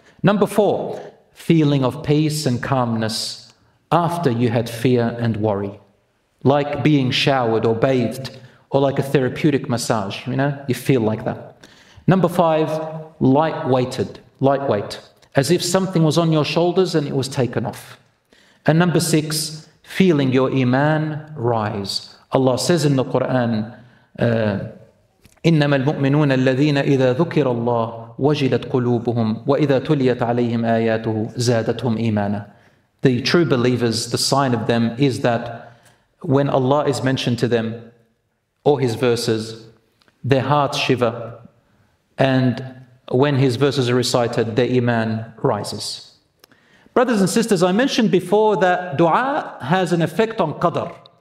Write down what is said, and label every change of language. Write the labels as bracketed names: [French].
[English] Number four, feeling of peace and calmness after you had fear and worry. Like being showered or bathed, or like a therapeutic massage, you know, you feel like that. Number five, lightweight, as if something was on your shoulders and it was taken off. And number six, feeling your iman rise. Allah says in the Quran, [Arabic] إِنَّمَا الْمُؤْمِنُونَ الَّذِينَ إِذَا ذُكِرَ اللَّهُ وَجِلَتْ قُلُوبُهُمْ وَإِذَا تُلِيَتْ عَلَيْهِمْ آيَاتُهُ زَادَتْهُمْ إِيمَانًا. [English] The true believers, the sign of them is that when Allah is mentioned to them, or His verses, their hearts shiver, and when His verses are recited, their iman rises. Brothers and sisters, I mentioned before that dua has an effect on qadr.